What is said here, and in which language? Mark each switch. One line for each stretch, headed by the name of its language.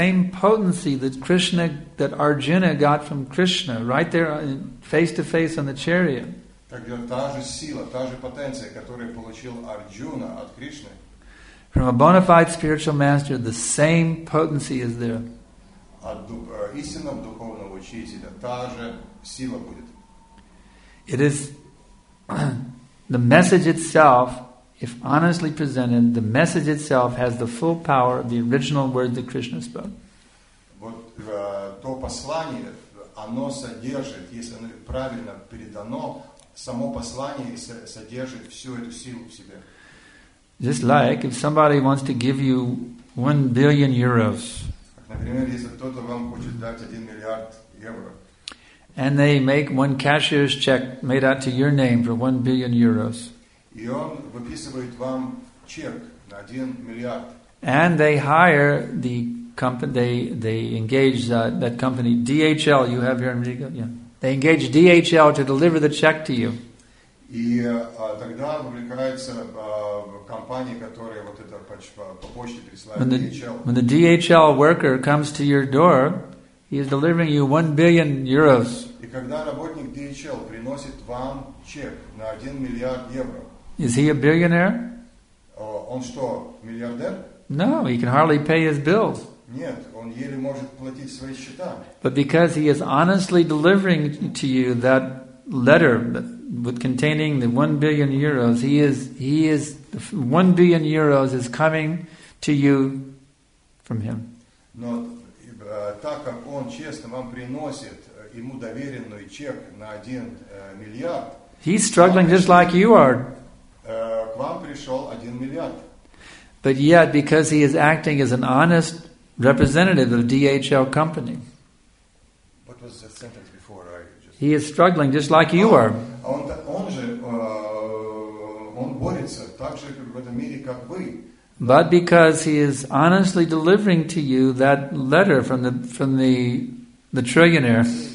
English: potency that Krishna, that Arjuna got from Krishna, right there, face to face on the chariot.
Russian: Та же сила, та же потенция, которую получил Арджуна от Кришны.
English: From a bona fide spiritual master, the same potency is there.
Russian: От истинного духовного учителя та же сила будет.
English: It is the message itself. If honestly presented, the message itself has the full power of the original word that Krishna spoke.
Russian: Вот то послание, оно содержит, если оно правильно передано, само послание содержит всю эту силу в себе.
English: Just like if somebody wants to give you 1 billion euros.
Russian: Например, если кто-то вам хочет дать 1 миллиард евро.
English: And they make 1 cashier's check made out to your name for 1 billion euros.
Russian: И он выписывает вам чек на 1 миллиард.
English: And they hire the company, they engage that company, DHL, you have here in Riga. Yeah. They engage DHL to deliver the check to you.
Russian: И тогда вовлекается компания, которая вот это по почте присылает DHL.
English: When the DHL worker comes to your door, he is delivering you 1 billion euros.
Russian: И когда работник DHL приносит вам чек на 1 миллиард евро,
English: is he a billionaire?
Russian: Он что, миллиардер?
English: No, he can hardly pay his bills.
Russian: Нет, он еле может платить свои счета.
English: But because he is honestly delivering to you that letter with containing the 1 billion euros, he is 1 billion euros is coming to you from him.
Russian: Но так как он честно вам приносит ему доверенный чек на 1 миллиард,
English: he's struggling just like you are.
Russian: К вам пришел 1 миллиард.
English: But yet, because he is acting as an honest representative of DHL company. What was that sentence before? He is struggling just like you are.
Russian: Он борется так же в этом мире, как вы.
English: But because he is honestly delivering to you that letter from the trillionaire.